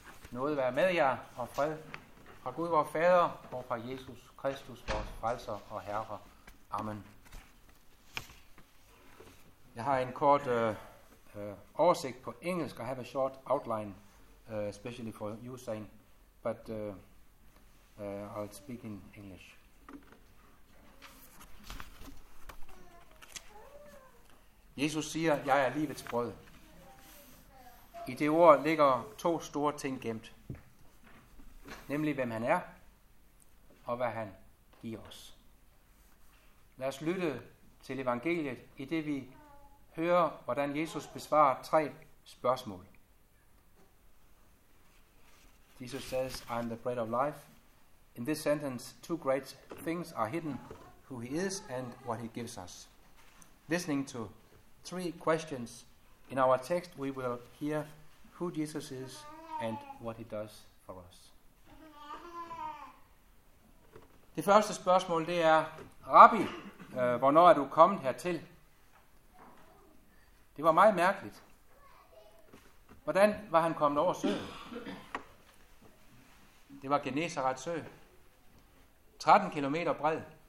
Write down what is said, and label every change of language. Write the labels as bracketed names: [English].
[Danish] Nåde være med jer og fred fra Gud vor Fader og fra Jesus Kristus vores frelser og herre. Amen. Jeg har en kort oversigt på engelsk. [English] I have a short outline, especially for you, Zain, but I'll speak in English. [Danish] Jesus siger, jeg er livets brød. I det ord ligger to store ting gemt, nemlig hvem han er og hvad han giver os. Lad os lytte til evangeliet i det vi hører, hvordan Jesus besvarer tre spørgsmål. [English] Jesus says, I am the bread of life. In this sentence, two great things are hidden, who he is and what he gives us. Listening to three questions in our text, we will hear who Jesus is and what he does for us. [Danish] Det første spørgsmål, det er, Rabbi, hvornår er du kommet hertil? Det var meget mærkeligt. Hvordan var han kommet over søen? Det var Genesarets sø. 13 kilometer bred.